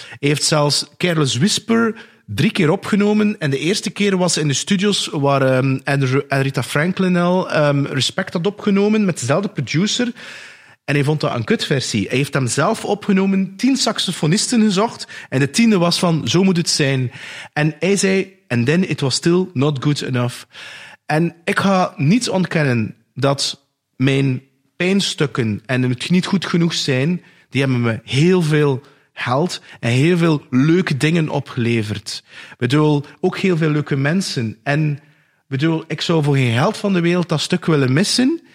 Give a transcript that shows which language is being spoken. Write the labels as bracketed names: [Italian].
[Dutch] Hij heeft zelfs Careless Whisper 3 keer opgenomen. En de eerste keer was in de studios waar Aretha Franklin al Respect had opgenomen met dezelfde producer. En hij vond dat een kutversie. Hij heeft hem zelf opgenomen, 10 saxofonisten gezocht. En de 10e was van, zo moet het zijn. En hij zei, [English] and then it was still not good enough. [Dutch] En ik ga niet ontkennen dat mijn pijnstukken en het niet goed genoeg zijn, die hebben me heel veel geld en heel veel leuke dingen opgeleverd. Ik bedoel, ook heel veel leuke mensen. En bedoel, ik zou voor geen geld van de wereld dat stuk willen missen.